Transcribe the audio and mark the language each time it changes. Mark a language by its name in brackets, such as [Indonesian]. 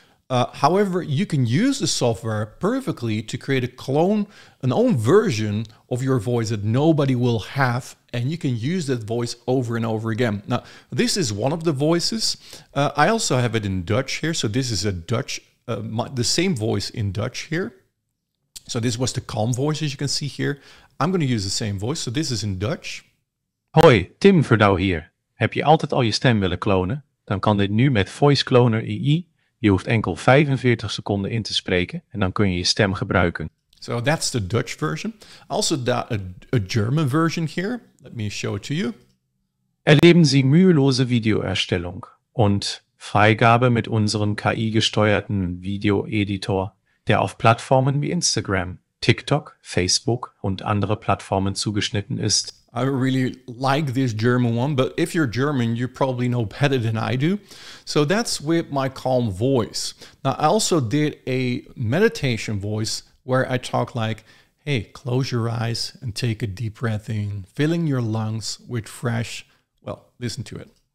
[English] However, you can use the software perfectly to create a clone, an own version of your voice that nobody will have, and you can use that voice over and over again. Now, this is one of the voices. I also have it in Dutch here, so this is a Dutch, the same voice in Dutch here. So this was the calm voice, as you can see here. I'm going to use the same voice, so this is in Dutch. [Dutch] Hoi, Tim Verdouw hier. Heb je altijd al je stem willen klonen? Dan kan dit nu met VoiceCloner AI. Je hoeft enkel 45 seconden in te spreken en dan kun je je stem gebruiken. [English] So that's the Dutch version. Also a German version here. Let me show it to you. [German] Erleben Sie mühelose Videoerstellung und Freigabe mit unserem KI-gesteuerten Video-Editor, der auf Plattformen wie Instagram, TikTok, Facebook und andere Plattformen zugeschnitten ist. [English] I really like this German one, but if you're German, you probably know better than I do. So that's with my calm voice. Now, I also did a meditation voice where I talk like, hey, close your eyes and take a deep breath in, filling your lungs with fresh, well, listen to it.